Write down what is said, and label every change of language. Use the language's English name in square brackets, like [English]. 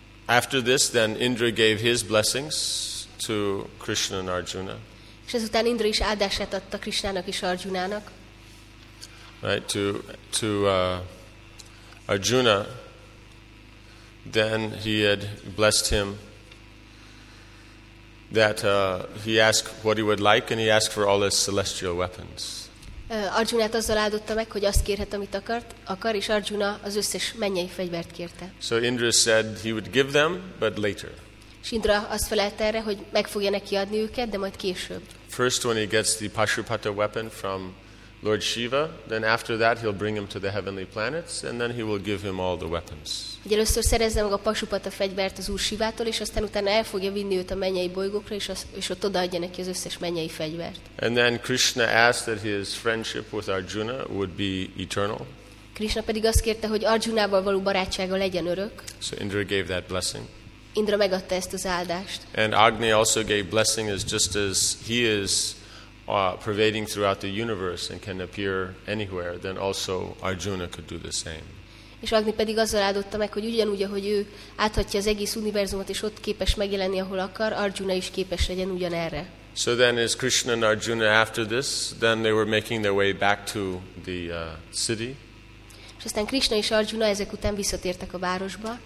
[English] After this, then Indra gave his blessings to Krishna and Arjuna. [Hungarian] És ezután Indra is áldását adta Krishnának és Arjunának. [English] Right, to Arjuna, then he had blessed him that he asked what he would like, and he asked for all his celestial weapons. [Hungarian] Arjunát azzal áldotta meg, hogy azt kérhet, amit akar, és Arjuna az összes mennyei fegyvert kérte. [English] So Indra said he would give them, but later. [Hungarian] És Indra azt felelte erre, hogy meg fogja neki adni őket, de majd később. [English] First when he gets the Pashupata weapon from Lord Shiva, then after that he'll bring him to the heavenly planets, and then he will give him all the weapons. [Hungarian] Ugye először szerezze meg a Pashupata fegyvert az Úr Sivától, és aztán utána el fogja vinni őt a mennyei bolygókra, és ott odaadja neki az összes mennyei fegyvert. [English] And then Krishna asked that his friendship with Arjuna would be eternal. [Hungarian] Krishna pedig azt kérte, hogy Arjunával való barátsága legyen örök. [English] So Indra gave that blessing. [Hungarian] Indra megadta ezt az áldást. [English] And Agni also gave blessing as just as he is pervading throughout the universe and can appear anywhere, then also Arjuna could do the same. [Hungarian] És Agni pedig azzal áldotta meg, hogy ugyanúgy, ahogy ő áthatja az egész univerzumot, és ott képes megjelenni, ahol akar, Arjuna is képes legyen ugyanerre. [English] So then is Krishna and Arjuna after this, then they were making their way back to the city. [Hungarian] És aztán Krishna és Arjuna ezek után visszatértek a városba.